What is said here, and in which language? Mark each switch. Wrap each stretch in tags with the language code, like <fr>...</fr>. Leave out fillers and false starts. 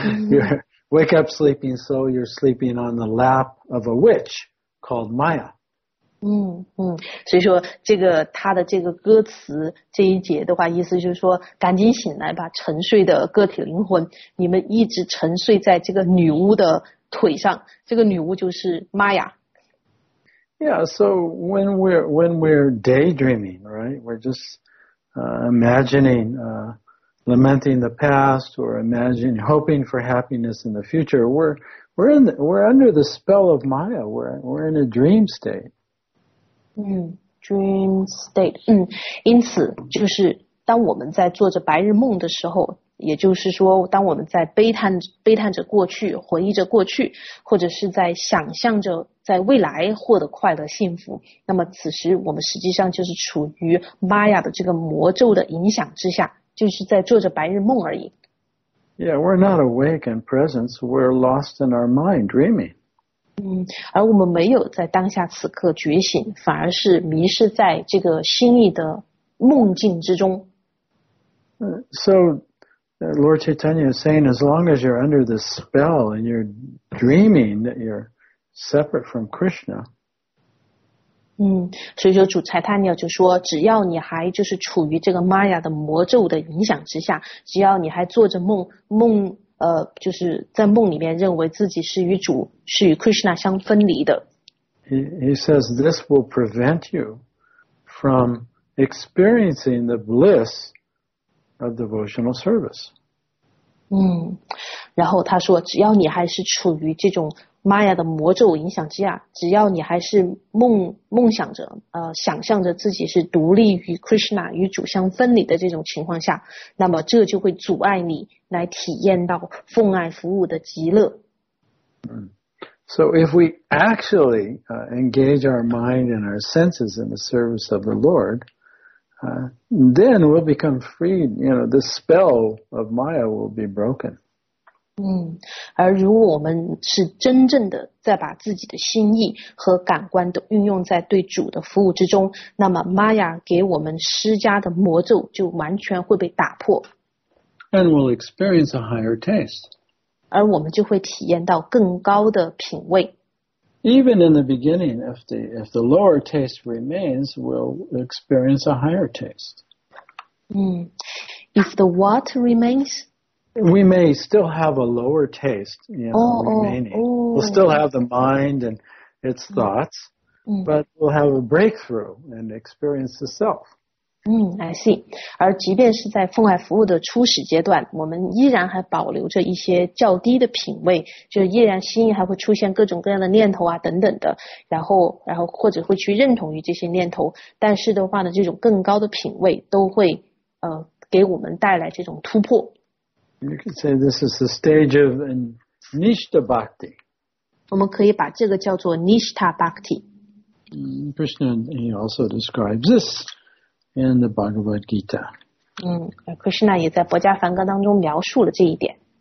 <en>You wake up sleeping, so you're sleeping on the lap of a witch called Maya.</en> <zh>所以说这个他的这个歌词这一节的话，意思就是说赶紧醒来吧，沉睡的个体灵魂，你们一直沉睡在这个女巫的腿上，这个女巫就是 Maya。</zh> <en>Yeah, so when we're daydreaming, right? We're just imagining, lamenting the past, or imagining, hoping for happiness in the future. We're under the spell of Maya. We're in a dream state. Dream state.</en> <zh>因此就是当我们在做着白日梦的时候，也就是说当我们在悲叹着过去，回忆着过去，或者是在想象着在未来获得快乐幸福，那么此时我们实际上就是处于玛雅的这个魔咒的影响之下，就是在做着白日梦而已。</zh> <en>Yeah, we're not awake and present, we're lost in our mind dreaming.</en> <zh>而我们没有在当下此刻觉醒，反而是迷失在这个心意的梦境之中。</zh> <en>SoLord Chaitanya is saying as long as you're under this spell and you're dreaming that you're separate from Krishna.</en> <zh>所以说主柴塔尼亚就说，只要你还就是处于这个 Maya 的魔咒的影响之下，只要你还做着梦就是在梦里面认为自己是与主是与 Krishna 相分离的。</zh> <en>He says this will prevent you from experiencing the blissof devotional service.</en> <zh>然后他说只要你还是处于这种 Maya 的魔咒影响之下，只要你还是梦想着想象着自己是独立于 Krishna 与主相分离的这种情况下，那么这就会阻碍你来体验到奉爱服务的极乐。</zh> <en>So if we actually engage our mind and our senses in the service of the Lord, then we'll become freed. You know, the spell of Maya will be broken.</en> <zh>而如果我们是真正的在把自己的心意和感官都运用在对主的服务之中，那么 Maya 给我们施加的魔咒就完全会被打破。</zh> <en>And we'll experience a higher taste.</en> <zh>而我们就会体验到更高的品味。</zh> <en>Even in the beginning, if the lower taste remains, we'll experience a higher taste. If the what remains? We may still have a lower taste, you know, remaining. We'll still have the mind and its thoughts, but we'll have a breakthrough and experience the self. I see.</en> <zh>而即便是在奉爱服务的初始阶段，我们依然还保留着一些较低的品位，就依然心意还会出现各种各样的念头啊等等的，然后或者会去认同于这些念头，但是的话呢，这种更高的品位都会给我们带来这种突破。</zh> <en>You can say this is the stage of an Nishtha Bhakti.</en> <zh>我们可以把这个叫做 Nishtha Bhakti.</zh> <en>Krishna, he also describes this. In the Bhagavad Gita.</en> <zh>Krishna 也在博迦梵歌当中描述了这一点。</zh>